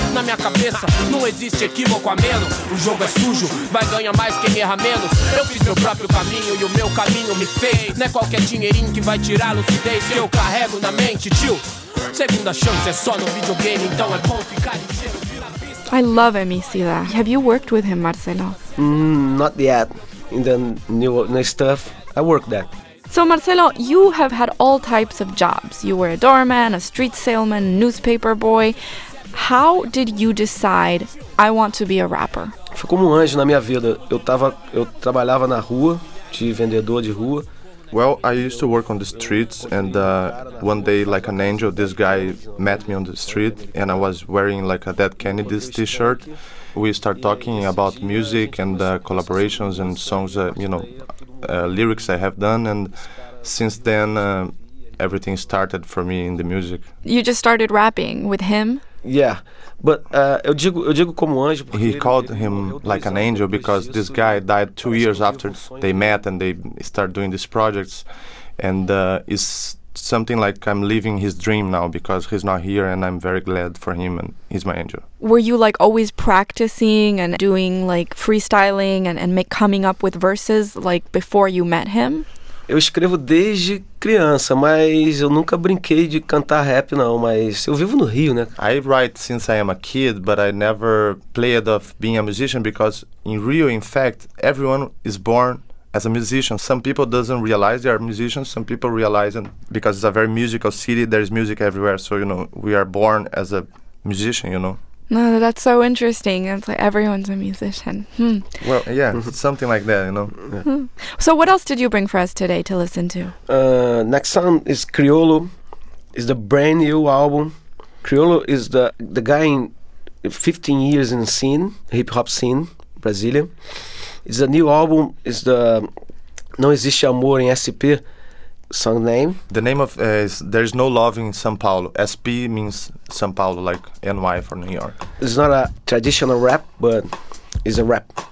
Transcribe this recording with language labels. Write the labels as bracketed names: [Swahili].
[Portuguese] Na minha cabeça não existe equívoco a menos. O jogo é sujo, vai ganhar mais quem erra menos. Eu fiz meu próprio caminho e o meu caminho me fez. Não é qualquer dinheirinho que vai tirar a lucidez que eu carrego na mente, tio. Segunda chance é só no videogame, então é bom ficar ligeiro. [English] I love Emicida. Have you worked with him, Marcelo? Not yet. In the new stuff, I worked there. So, Marcelo, you have had all types of jobs. You were a doorman, a street salesman, newspaper boy. How did you decide, I want to be a rapper? [Portuguese] Foi como anjo na minha vida. Eu trabalhava na rua, de vendedor de rua. [English] Well, I used to work on the streets, and one day, like an angel, this guy met me on the street, and I was wearing like a Dead Kennedys t-shirt. We start talking about music and collaborations and songs, lyrics I have done, and since then, everything started for me in the music. You just started rapping with him? Yeah, but [Portuguese] eu digo como anjo. [English] He called him like an angel because this guy died 2 years after they met and they started doing these projects. And it's something like I'm living his dream now because he's not here and I'm very glad for him and he's my angel. Were you like always practicing and doing like freestyling and make coming up with verses like before you met him? [Portuguese] Eu escrevo desde criança, mas eu nunca brinquei de cantar rap não, mas eu vivo no Rio, né? [English] I write since I am a kid, but I never played of being a musician because in Rio, in fact, everyone is born as a musician. Some people doesn't realize they are musicians, some people realize and because it's a very musical city, there's music everywhere, so you know, we are born as a musician, you know. No, that's so interesting. It's like everyone's a musician. Hmm. Well, yeah, something like that, you know. Yeah. So what else did you bring for us today to listen to? Next song is Criollo. It's the brand new album. Criollo is the guy in 15 years in the scene, hip-hop scene, Brasília. It's a new album. It's the Não Existe Amor em SP song name. The name of is There Is No Love in São Paulo. SP means São Paulo, like NY for New York. It's not a traditional rap, but it's a rap.